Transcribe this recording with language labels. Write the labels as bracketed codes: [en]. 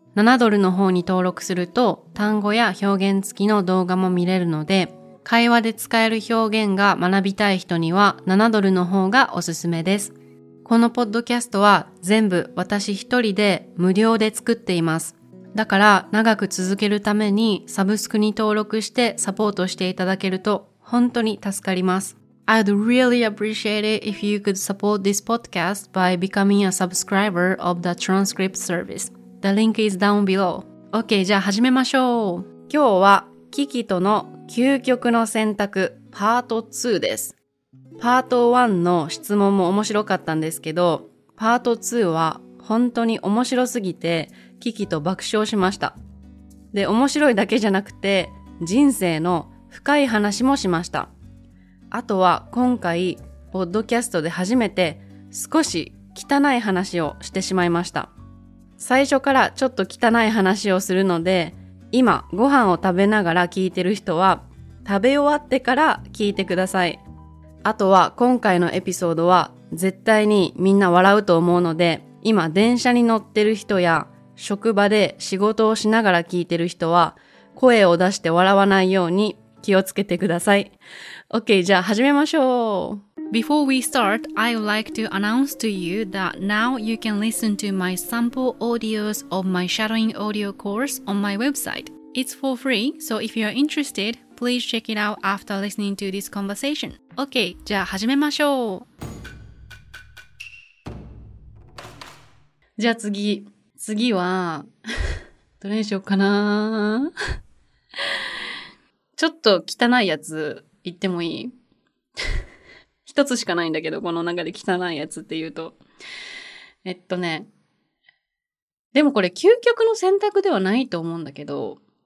[ja] 7ドルの方に登録すると単語や表現付きの動画も見れるので、会話で使える表現が学びたい人には7ドルの方がおすすめです。このポッドキャストは全部私一人で無料で作っています。だから長く続けるためにサブスクに登録してサポートしていただけると本当に助かります。 [en] I'd really appreciate it if you could support this podcast by becoming a subscriber of the transcript service. The link is down below. [ja] OK, じゃあ始めましょう。今日はKikiとの究極の選択パート2です。パート1の質問も面白かったんですけど、パート2は本当に面白すぎてKikiと爆笑しました。で、面白いだけじゃなくて人生の深い話もしました。あとは今回ポッドキャストで初めて少し汚い話をしてしまいました。最初からちょっと汚い話をするので、今ご飯を食べながら聞いてる人は食べ終わってから聞いてください。あとは今回のエピソードは絶対にみんな笑うと思うので、今電車に乗ってる人や職場で仕事をしながら聞いてる人は声を出して笑わないように気をつけてください。 OK, じゃあ始めましょう。 [en] Before we start, I would like to announce to you that now you can listen to my sample audios of my shadowing audio course on my website. It's for free, so if you're interested, please check it out after listening to this conversation. [ja] OK, じゃあ始めましょう。じゃあ次はどれにしようかな。ちょっと汚いやつ言ってもいい？一つしかないんだけど、この中で汚いやつっていうと、でもこれ究極の選択ではないと思うんだけど、